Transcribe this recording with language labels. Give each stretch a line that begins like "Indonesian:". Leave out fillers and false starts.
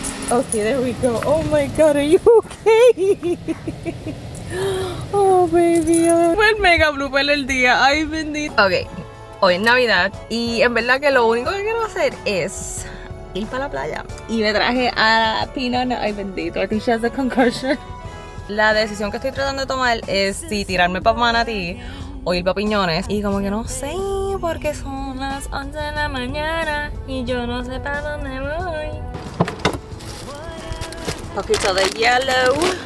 English: Okay, there we go. Oh my God, are you okay? Oh, baby.
Spanish: Fue el mega blooper el día, ay, bendito. Okay, hoy es Navidad y en verdad que lo único que quiero hacer es ir para la playa. Y me traje a Pina. Ay, bendito.
English: I think she has a concussion.
Spanish: La decisión que estoy tratando de tomar es si tirarme para Manatí o ir para Piñones. Y como que no sé, porque son las 11 de la mañana y yo no sé para dónde voy. Poquito de yellow.